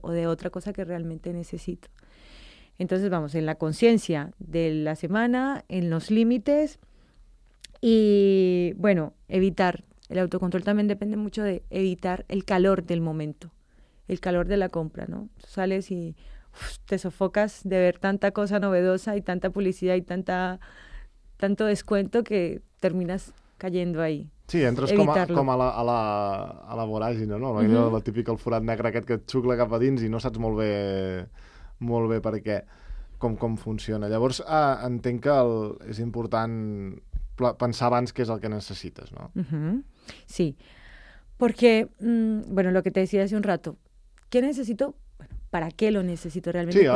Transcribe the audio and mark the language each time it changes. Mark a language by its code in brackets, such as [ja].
[es] O de otra cosa que realmente necesito. Entonces, vamos, en la conciencia de la semana, en los límites, y, bueno, evitar. El autocontrol también depende mucho de evitar el calor del momento, el calor de la compra, ¿no? Tú sales y... te sofocas de ver tanta cosa novedosa y tanta publicidad y tanto descuento que terminas cayendo ahí. [ca] Sí, entres com a la voràgina, no? Allò, la típica, el forat negre aquest que et xucla cap a dins i no saps molt bé per què, com funciona. Llavors, entenc que és important pensar abans què és el que necessites, no? [es] Sí, porque, bueno, lo que te decía hace un rato, ¿qué necesito? Bueno, ¿para qué lo necesito realmente?